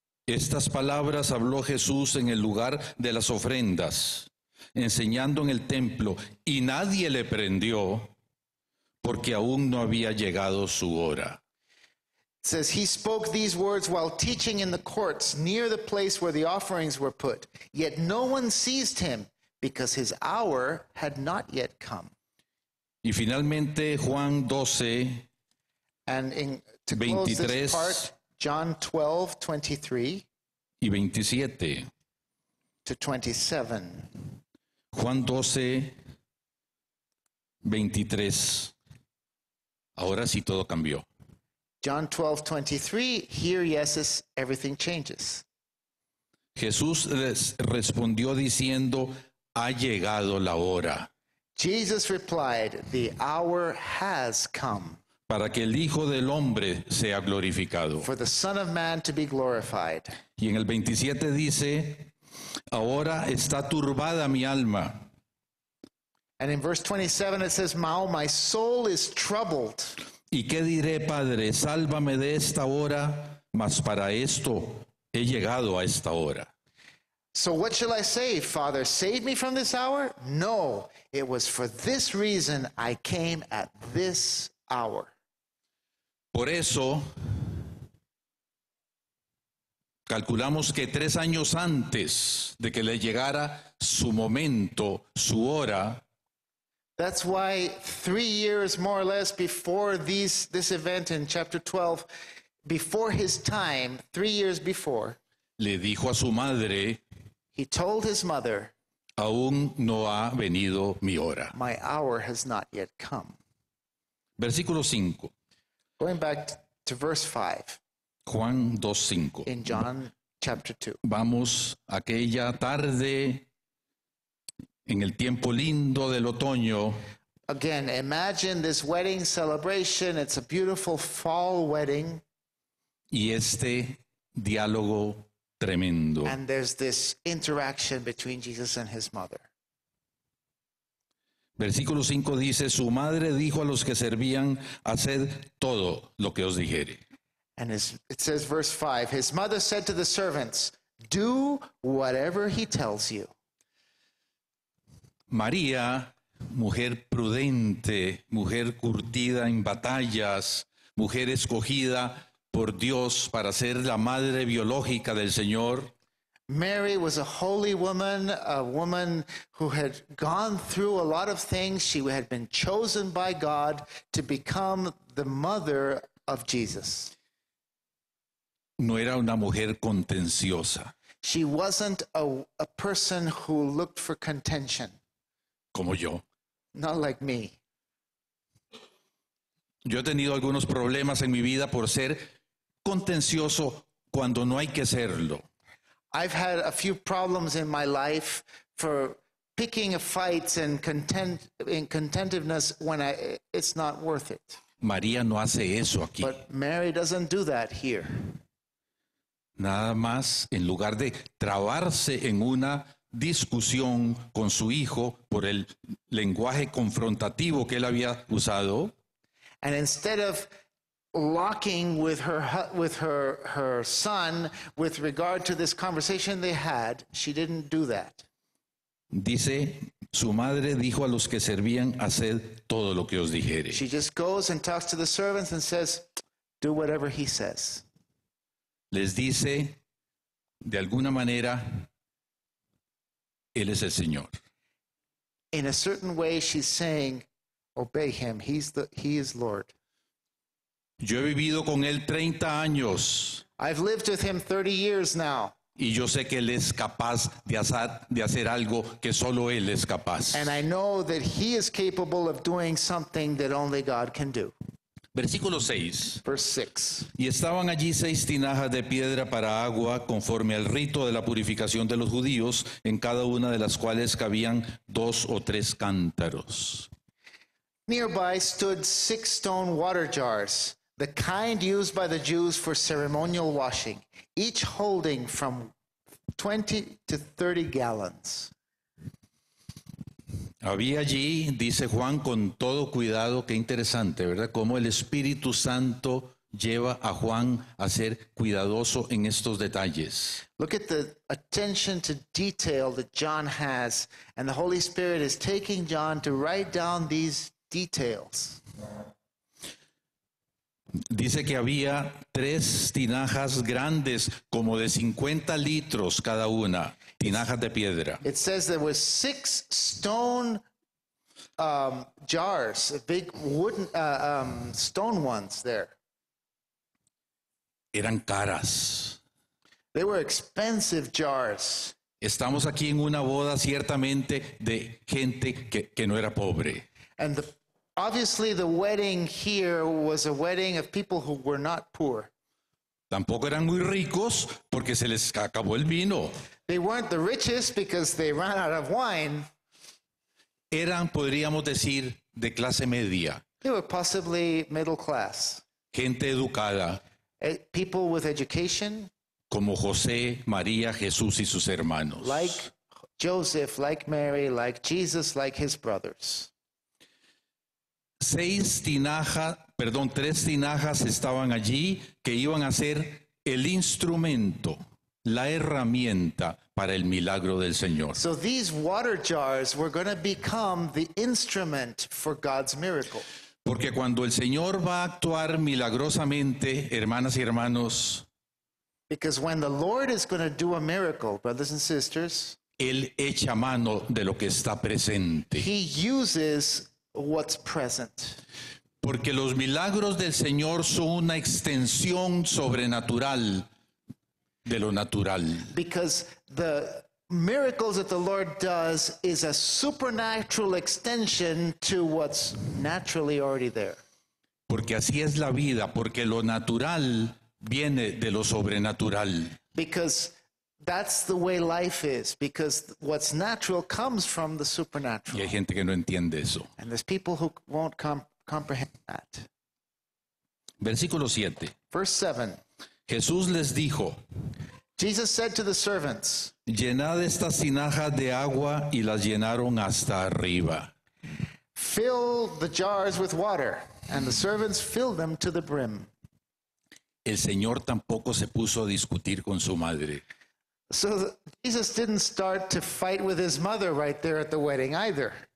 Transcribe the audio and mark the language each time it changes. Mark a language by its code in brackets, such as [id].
[es] Estas palabras habló Jesús en el lugar de las ofrendas, enseñando en el templo, y nadie le prendió, porque aún no había llegado su hora. [en] It says, he spoke these words while teaching in the courts near the place where the offerings were put. Yet no one seized him because his hour had not yet come. [es] Y finalmente, Juan 12, [en] and in, to 23, close this part, John 12, 23 [es] y 27. [en] To 27. [es] Juan 12, 23. Ahora sí todo cambió. [en] John 12:23, here yes is everything changes. [es] Jesús les respondió diciendo, ha llegado la hora. [en] Jesus replied, the hour has come. [es] Para que el Hijo del Hombre sea glorificado. [en] For the Son of Man to be glorified. [es] Y en el 27 dice, ahora está turbada mi alma. [en] And in verse 27 it says, my soul is troubled. [es] ¿Y qué diré, Padre? Sálvame de esta hora, mas para esto he llegado a esta hora. [en] So what shall I say, Father? Save me from this hour? No, it was for this reason I came at this hour. [es] Por eso, calculamos que 3 años antes de que le llegara su momento, su hora, [en] that's why 3 years more or less before this event in chapter 12, before his time, 3 years before, [es] le dijo a su madre, [en] he told his mother, [es] aún no ha venido mi hora. [en] My hour has not yet come. [es] Versículo 5. [en] Going back to verse 5. [es] Juan 2:5. [en] In John chapter 2. [es] Vamos aquella tarde. En el tiempo lindo del otoño. [en] Again, imagine this wedding celebration. It's a beautiful fall wedding. [es] Y este diálogo tremendo. [en] And there's this interaction between Jesus and his mother. [es] Versículo 5 dice, su madre dijo a los que servían, haced todo lo que os dijere. [en] And it says verse 5, his mother said to the servants, do whatever he tells you. [es] María, mujer prudente, mujer curtida en batallas, mujer escogida por Dios para ser la madre biológica del Señor. [en] Mary was a holy woman, a woman who had gone through a lot of things. She had been chosen by God to become the mother of Jesus. [es] No era una mujer contenciosa. [en] She wasn't a person who looked for contention. [es] Como yo. [en] Not like me. [es] Yo he tenido algunos problemas en mi vida por ser contencioso cuando no hay que serlo. [en] I've had a few problems in my life for picking fights and contentiveness when it's not worth it. [es] María no hace eso aquí. [en] But Mary doesn't do that here. [es] Nada más en lugar de trabarse en una discusión con su hijo por el lenguaje confrontativo que él había usado. [en] And instead of locking with her son with regard to this conversation they had, she didn't do that. [es] Dice, su madre dijo a los que servían, haced todo lo que os dijere. [en] She just goes and talks to the servants and says, do whatever he says. [es] Les dice, de alguna manera, él es el Señor. [en] In a certain way, she's saying, obey him. He is Lord. [es] Yo he vivido con él 30 años. [en] I've lived with him 30 years now. [es] Y yo sé que él es capaz de hacer algo que solo él es capaz. [en] And I know that he is capable of doing something that only God can do. [es] Versículo 6. [en] Verse 6. [es] Y estaban allí 6 tinajas de piedra para agua, conforme al rito de la purificación de los judíos, en cada una de las cuales cabían 2 o 3 cántaros. [en] Nearby stood 6 stone water jars, the kind used by the Jews for ceremonial washing, each holding from 20 to 30 gallons. [es] Había allí, dice Juan, con todo cuidado, qué interesante, ¿verdad? Cómo el Espíritu Santo lleva a Juan a ser cuidadoso en estos detalles. [en] Look at the attention to detail that John has, and the Holy Spirit is taking John to write down these details. [es] Dice que había tres tinajas grandes, como de 50 litros cada una, tinajas de piedra. [en] It says there were six stone jars, big wooden stone ones there. [es] Eran caras. [en] They were expensive jars. [es] Estamos aquí en una boda ciertamente de gente que no era pobre. [en] And obviously the wedding here was a wedding of people who were not poor. [es] Tampoco eran muy ricos porque se les acabó el vino. [en] They weren't the richest because they ran out of wine. [es] Eran, podríamos decir, de clase media. [en] They were possibly middle class. [es] Gente educada. [en] People with education. [es] Como José, María, Jesús y sus hermanos. [en] Like Joseph, like Mary, like Jesus, like his brothers. [es] Tres tinajas estaban allí que iban a ser el instrumento, la herramienta para el milagro del Señor. [en] So these water jars were going to become the instrument for God's miracle. [es] Porque cuando el Señor va a actuar milagrosamente, hermanas y hermanos, [en] because when the Lord is going to do a miracle, brothers and sisters, [es] Él echa mano de lo que está presente. [en] He uses what's present. [es] Porque los milagros del Señor son una extensión sobrenatural de lo natural. [en] Because the miracles that the Lord does is a supernatural extension to what's naturally already there. [es] Porque así es la vida, porque lo natural viene de lo sobrenatural. [en] Because that's the way life is, because what's natural comes from the supernatural. [es] Y hay gente que no entiende eso. [en] And there's people who won't comprehend that. [es] Versículo 7. [en] Verse 7. [es] Jesús les dijo, [en] Jesus said to the servants, [es] llenad estas tinajas de agua, y las llenaron hasta arriba. [en] Fill the jars with water, and the servants filled them to the brim. [es] El Señor tampoco se puso a discutir con su madre. [en] So Jesus didn't start to fight with his mother right there at the wedding either.